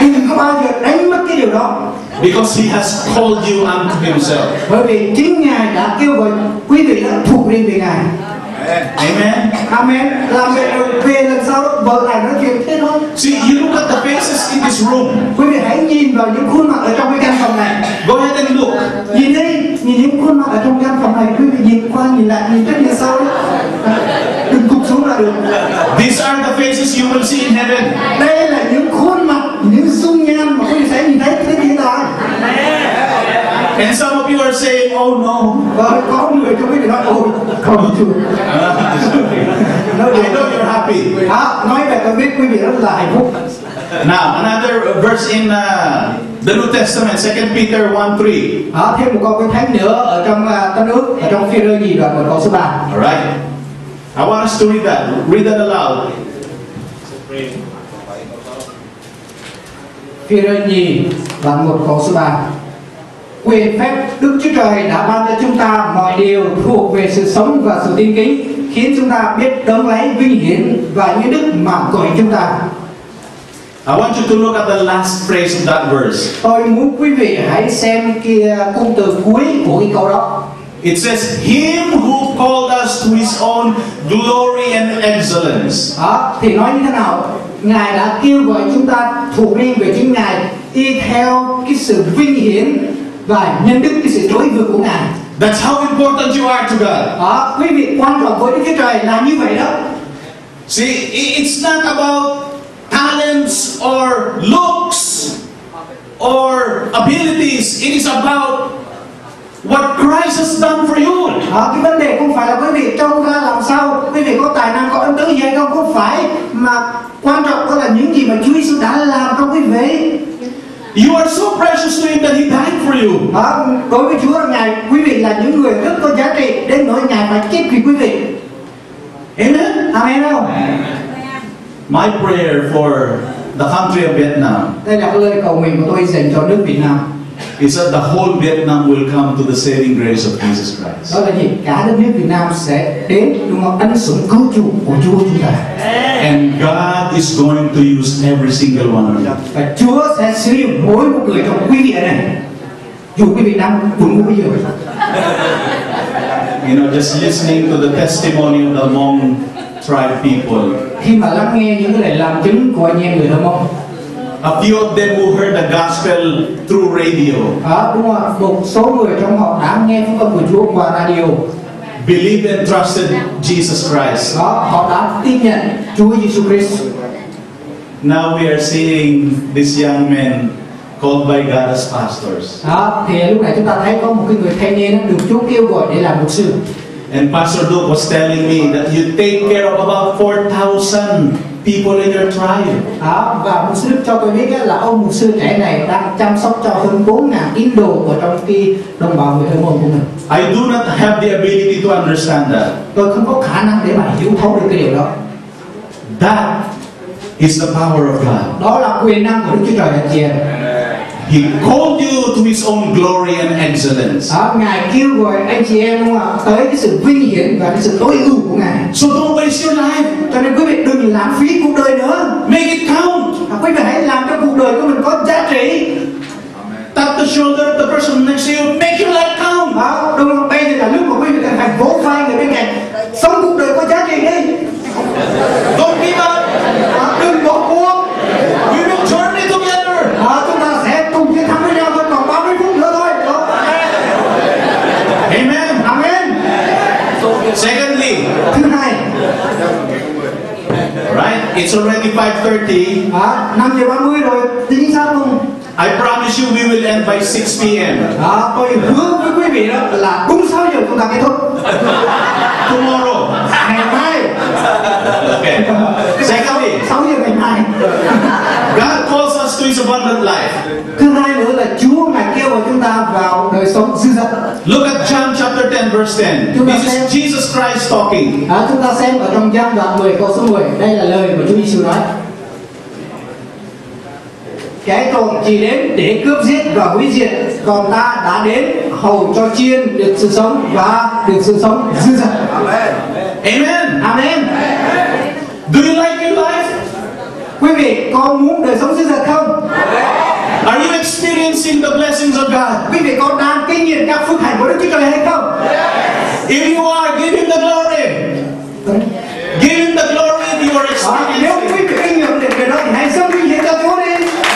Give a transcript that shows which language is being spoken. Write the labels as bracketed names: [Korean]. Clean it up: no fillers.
[Vietnamese] Đừng có bao giờ đánh mất cái điều đó. [English] Because He has called you unto Himself. [Vietnamese] Bởi vì chính Ngài đã kêu gọi quý vị là thuộc riêng về Ngài. [English] Amen. Amen. [Vietnamese] Làm mẹ về lần sau vợ lại nói chuyện thế thôi. [English] See, you look at the faces in this room. [Vietnamese] Quý vị hãy nhìn vào những khuôn mặt ở trong cái căn phòng này. [English] Go ahead and look. [Vietnamese] Nhìn đi, nhìn những khuôn mặt ở trong căn phòng này. Quý vị nhìn qua, nhìn lại, nhìn trước, nhìn sau. Đừng cúi xuống là được. [English] These are the faces you will see in heaven. [Vietnamese] Đây là những khuôn mặt, những dung nhan mà quý vị sẽ nhìn thấy trên thiên đàng. [English] And some of you are saying, "Oh no." [Vietnamese] Well, có người trong quý vị nói, "Oh, không chưa." [English] I know you're happy. [Vietnamese] Hả? Nói về tôi biết quý vị rất là hạnh phúc. [English] Now, another verse in the New Testament, 2 Peter 1:3. [Vietnamese] Hả? Thêm một câu kinh thánh nữa ở trong Tân Ước, ở trong Phi-e-rơ nhì đoạn 1 câu số 3. [English] All right. I want us to read that. Read that aloud. [Vietnamese] Phi-e-rơ nhì đoạn 1 câu số 3. Quyền phép Đức Chúa Trời đã ban cho chúng ta mọi điều thuộc về sự sống và sự tin kính, khiến chúng ta biết đấng lấy vinh hiển và những đức mà gọi chúng ta. [English] I want you to look at the last phrase of that verse. [Vietnamese] Tôi muốn quý vị hãy xem kia cụm từ cuối của cái câu đó. [English] It says, "Him who called us to His own glory and excellence." [Vietnamese] À, thì nói như thế nào? Ngài đã kêu gọi chúng ta thuộc riêng về chính Ngài, y theo cái sự vinh hiển và nhân đức cái sự tối vượng của Ngài. [English] That's how important you are to God. [Vietnamese] À, quý vị quan trọng với Đức Chúa Trời là như vậy đó. [English] See, it's not about talents or looks or abilities. It is about what Christ has done for you. [Vietnamese] À, cái vấn đề không phải là quý vị trông ra làm sao, quý vị có tài năng, có ân tứ gì hay không, không phải. Mà quan trọng đó là những gì mà Chúa Jesus đã làm trong quý vị. [English] You are so precious to Him that He died for you. [Vietnamese] À, đối với Chúa Ngài, quý vị là những người rất có giá trị đến nỗi Ngài phải chết vì quý vị. [English] Amen. Amen. My prayer for the country of Vietnam. [Vietnamese] Đây là lời cầu nguyện của tôi dành cho nước Việt Nam. [English] Is that the whole Vietnam will come to the saving grace of Jesus Christ? [Vietnamese] Đó là gì? Cả đất nước Việt Nam sẽ đến đúng không? Ân sủng cứu chuộc của Chúa chúng ta. [English] And God is going to use every single one of you. [Vietnamese] Và Chúa sẽ sử dụng mỗi một người trong quý vị ở đây, dù quý vị đang buồn ngủ bây giờ. [English] You know, just listening to the testimony of the Hmong tribe people. [Vietnamese] Khi mà lắng nghe những lời làm chứng của anh em người Hmong. [English] A few of them who heard the gospel through radio. [Vietnamese] À, đúng rồi. Một số người trong họ đã nghe phúc âm của Chúa qua radio. [English] Believed and trusted Jesus Christ. [Vietnamese] À, họ đã tin nhận Chúa Giêsu Christ. [English] Now we are seeing these young men called by God as pastors. [Vietnamese] À, thì lúc này chúng ta thấy có một cái người thanh niên được Chúa kêu gọi để làm mục sư. [English] And Pastor Duke was telling me that you take care of about 4,000 people in your tribe. [Vietnamese] À, và mục sư cho tôi biết là ông mục sư trẻ này đang chăm sóc cho hơn 4,000 tín đồ ở trong cái đồng bào người Hmong của mình. [English] I do not have the ability to understand that. [Vietnamese] Tôi không có khả năng để mà hiểu thấu được cái điều đó. [English] That is the power of God. [Vietnamese] Đó là quyền năng của Đức Chúa Trời anh chị em. [English] He called you to His own glory and excellence. [Vietnamese] À, Ngài kêu gọi anh chị em đúng không ạ? Tới cái sự vinh hiển và cái sự tối ưu của Ngài. [English] So don't waste your life. [Vietnamese] Cho nên quý vị đừng lãng phí cuộc đời nữa. [English] Make it count. [Vietnamese] À, quý vị hãy làm cho cuộc đời của mình có giá trị. [English] Amen. Tap the shoulder of the person next to you. Make your life count. [Vietnamese] À, đúng không? Bây giờ là lúc mà quý vị cần phải vỗ vai người bên cạnh. Sống cuộc đời có giá trị đi. [English] Don't give up. [Vietnamese] À, đừng bỏ cuộc. [English] We will journey together. [Vietnamese] À, chúng ta sẽ cùng chiến thắng với nhau thôi. Còn 30 phút nữa thôi. Đó. [English] Amen. Amen. Secondly. [Vietnamese] Thứ hai. [English] Right? It's already 5:30. [Vietnamese] À, 5:30 rồi. Tính sao luôn. [English] I promise you we will end by 6 p.m. [Vietnamese] À, tôi hứa với quý vị đó là đúng 6 giờ chúng ta kết thúc. [English] Tomorrow. [Vietnamese] Ngày mai. [English] Okay. Secondly, [Vietnamese] 6 giờ ngày mai. [English] God calls us to His abundant life. [Vietnamese] Thứ hai nữa là Chúa ngài kêu gọi chúng ta vào đời sống dư dật. Look at John chapter 10 verse 10. This is Jesus Christ talking. Chúng ta xem ở trong Giăng đoạn 10 câu số 10. Đây là lời mà Chúa Giêsu nói. Kẻ trộm chỉ đến để cướp giết và hủy diệt, còn ta đã đến hầu cho chiên được sự sống và được sự sống dư dật. [English] Amen. Amen. Amen. Do you like your life? [Vietnamese] Quý vị có muốn đời sống dư dật không? [English] Amen. Are you experiencing the blessings of God? [Vietnamese] Quý vị có đang kinh nghiệm các phước hạnh của Đức Chúa Trời hay không? [English] Yes. If you are, give Him the glory. Yes. Give Him the glory if you are experiencing. [Vietnamese] Nếu quý vị kinh nghiệm được điều đó thì hãy dâng vinh hiển cho Chúa đi.